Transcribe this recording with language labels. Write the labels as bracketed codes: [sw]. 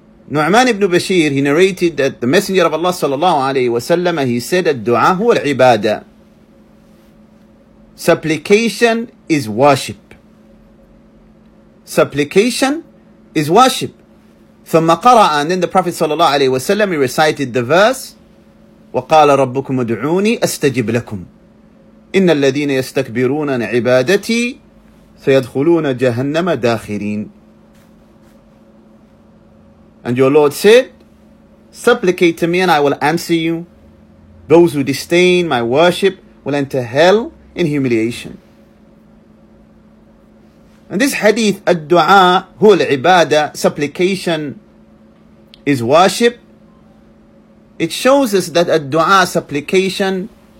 [en] Nu'man ibn Bashir, he narrated that the Messenger of Allah sallallahu alayhi wa sallam, he said, [ar] الدُّعَاء هُوَ الْعِبَادَةِ. [en] Supplication is worship. Supplication is worship. [ar] ثُمَّ قَرَأَ. [en] And then the Prophet sallallahu alayhi wa sallam, he recited the verse, [ar] وَقَالَ رَبُّكُمْ ادْعُونِي أَسْتَجِبْ لَكُمْ إِنَّ الَّذِينَ يَسْتَكْبِرُونَ عَنْ عِبَادَتِي سَيَدْخُلُونَ جَهَنَّمَ دَاخِرِينَ. [en] And your Lord said, supplicate to me and I will answer you. Those who disdain my worship will enter hell in humiliation. And this hadith, [ar] الدُّعَاء هُوَ الْعِبَادَةِ, [en] supplication is worship, it shows us that الدُّعَاء, supplication,